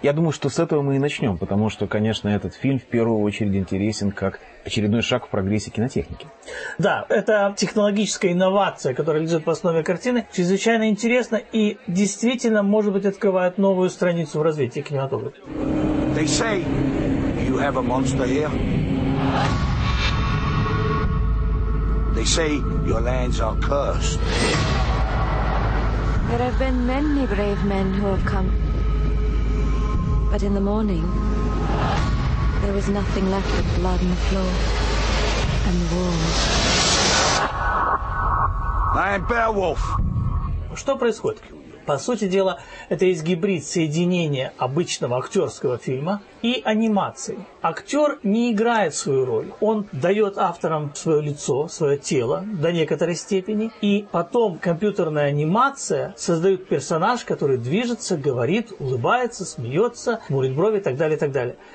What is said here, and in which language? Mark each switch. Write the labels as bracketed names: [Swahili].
[Russian] Я думаю, что с этого мы и начнем, потому что, конечно, этот фильм в первую очередь интересен как очередной шаг в прогрессе кинотехники. Да, это технологическая инновация, которая лежит в основе картины, чрезвычайно интересна и действительно, может быть, открывает новую страницу в развитии кинематографа. [English] They say you have a monster here. They say your lands are cursed. There have been many brave men who have come. But in the morning, there was nothing left but blood on the floor and the walls. I am Beowulf. [Russian] Что происходит? По сути дела, это есть гибрид соединения обычного актерского фильма и анимации. Актер не играет свою роль. Он дает авторам свое лицо, свое тело до некоторой степени. И потом компьютерная анимация создает персонаж, который движется, говорит, улыбается, смеется, хмурит брови и так далее, и так далее.